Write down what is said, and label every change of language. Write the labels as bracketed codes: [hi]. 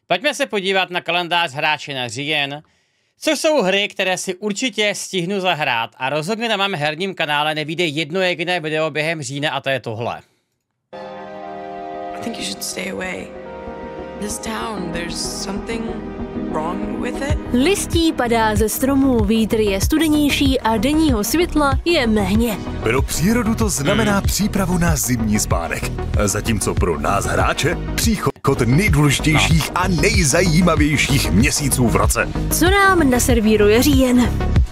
[cs] Pojďme se podívat na kalendář hráče na říjen, což jsou hry, které si určitě stihnu zahrát a rozhodně na mém herním kanále nevíde jedno jediné video během října a to je tohle. [en] I think you should stay away. This town, there's something wrong with it. [cs] Listí padá ze stromů, vítr je studenější a denního světla je méně. Pro přírodu to znamená přípravu na zimní spánek. Zatímco pro nás hráče příchod nejdůležitějších a nejzajímavějších měsíců v roce. Co nám naservíruje říjen?